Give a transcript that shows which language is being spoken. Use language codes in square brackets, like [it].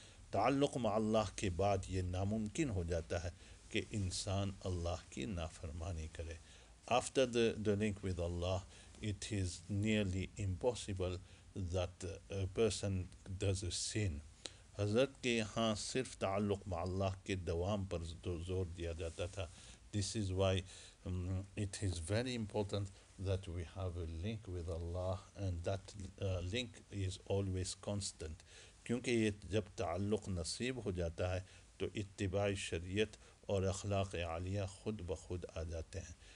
[ur] تعلق مع اللہ کے بعد یہ ناممکن ہو جاتا ہے کہ انسان اللہ کی نافرمانی کرے. [en] After the link with Allah, it is nearly impossible that a person does a sin. [ur] حضرت کے یہاں صرف تعلق مع اللہ کے دوام پر زور دیا جاتا تھا. [en] This is why it is very important that we have a link with Allah, and that link is always constant. [ur] کیونکہ یہ جب تعلق نصیب ہو جاتا ہے تو اتباع شریعت اور اخلاق عالیہ خود بخود آ جاتے ہیں.